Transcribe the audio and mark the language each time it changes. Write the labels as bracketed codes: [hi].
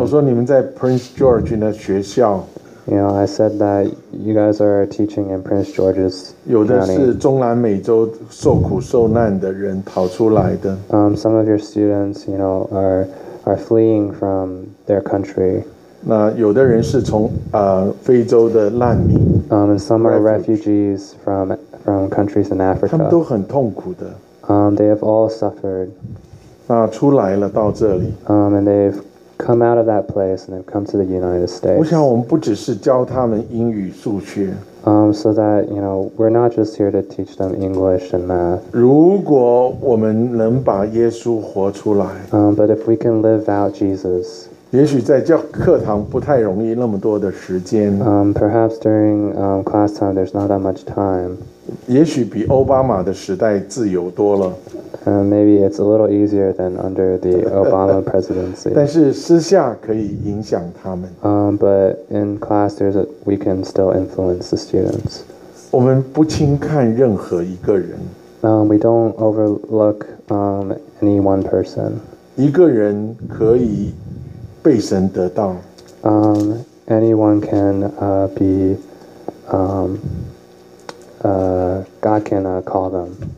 [zh] 我说你们在 Prince George 的学校 [en] ，you know I said that you guys are teaching in Prince George's。 [zh] 有的是中南美洲受苦受难的人跑出来的。 [en] Some of your students, you know, are fleeing from their country。 [zh] 那有的人是从非洲的难民。 [en] And some are refugees from from countries in Africa. [zh] 他们都很痛苦的。 [en] They have all suffered. [zh] 出来了到这里。 [en] And they've come out of that place and they've come to the United States. [zh] 我想我们不只是教他们英语数学。 [en] So that, you know, we're not just here to teach them English and math. [zh] 如果我们能把耶稣活出来。 [en] But if we can live out Jesus. [zh] 也许在教课堂不太容易那么多的时间。 [en] Perhaps during class time, there's not that much time. [zh] 也许比奥巴马的时代自由多了。 [en] Maybe it's a little easier than under the Obama presidency. [zh] 但是私下可以影响他们。 [en] But in class, we can still influence the students. [zh] 我们不轻看任何一个人。 [en] We don't overlook any one person. [zh] 一个人可以。被神得到。 [en] Anyone can be God can call them.